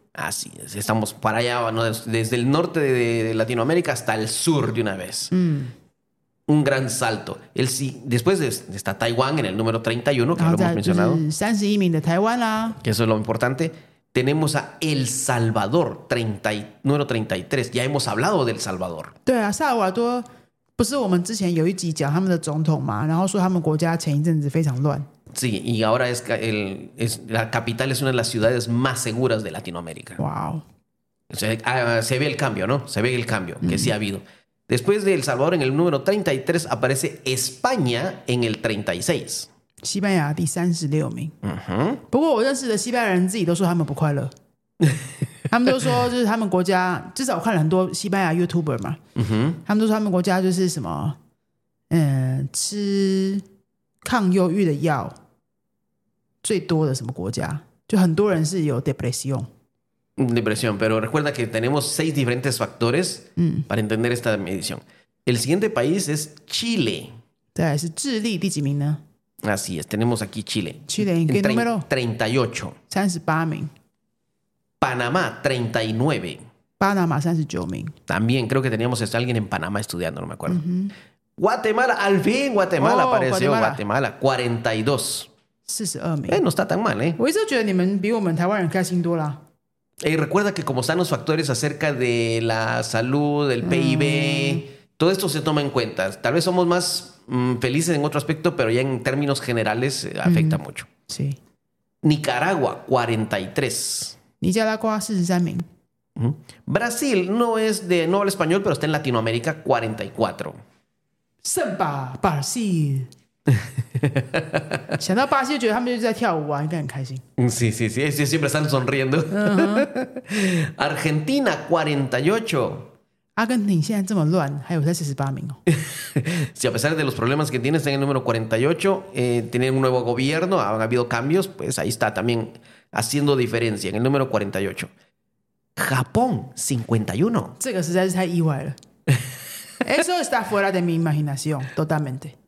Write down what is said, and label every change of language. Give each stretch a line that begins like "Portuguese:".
Spanish: Así es, estamos para allá, ¿no? Desde el norte de Latinoamérica hasta el sur de una vez. un gran salto. El, después de, está Taiwán en el número 31, que lo hemos mencionado. 31名的台湾啦。 Que eso es lo importante. Tenemos a El Salvador, 30, número 33. Ya hemos hablado del Salvador.
Chinese: 对啊，萨尔瓦多不是我们之前有一集讲他们的总统嘛，然后说他们国家前一阵子非常乱。
Spanish: Sí, y ahora es, el, es la capital es una de las ciudades más seguras de Latinoamérica. Wow. Se ve el cambio, ¿no? Se ve el cambio que sí ha habido. Después de El Salvador en el número 33 aparece España en el 36.
Chinese: 西班牙第36名。 Uh-huh. 不过我认识的西班牙人自己都说他们不快乐。他们都说就是他们国家，至少我看了很多西班牙 YouTuber 嘛。 Uh-huh. 他们都说他们国家就是什么，吃抗忧郁的药最多的什么国家，就很多人是有 depresión。
Spanish: Depresión, pero recuerda que tenemos seis diferentes factores para entender esta medición. El siguiente país es Chile.
Chinese: 对，是智利第几名呢？
Spanish: Así es, tenemos aquí Chile. Chile, ¿en qué número? 38.
Chinese: 38名.
Spanish: Panamá, 39.
Chinese: Panamá, 39名.
Spanish: También creo que teníamos a alguien en Panamá estudiando, no me acuerdo. Guatemala, al fin Guatemala apareció. Guatemala, 42.
Chinese: 42名.
Spanish: No está tan mal, ¿eh?
Chinese: 我一直觉得你们比我们台湾人开心多啦。
Spanish: Recuerda que como están los factores acerca de la salud, del PIB, todo esto se toma en cuenta. Tal vez somos más felices en otro aspecto, pero ya en términos generales afecta mucho. Sí. Nicaragua, 43. Nicaragua, 43名. Brasil, no habla español, pero está en Latinoamérica, 44. Samba, Brasil.
Chinese: 想到巴西就觉得他们就在跳舞啊，应该很开心。
Spanish: Sí, sí, sí, sí, siempre están sonriendo. Uh-huh. Argentina, 48.
Chinese: Argentina 现在这么乱，还有在48名哦。
Spanish: Sí, a pesar de los problemas que tiene, está en el número 48. Tiene un nuevo gobierno, han habido cambios, pues ahí está también haciendo diferencia, en el número 48. Japón, 51.
Chinese: 这个实在是太意外了。
Spanish: Eso está fuera de mi imaginación, totalmente.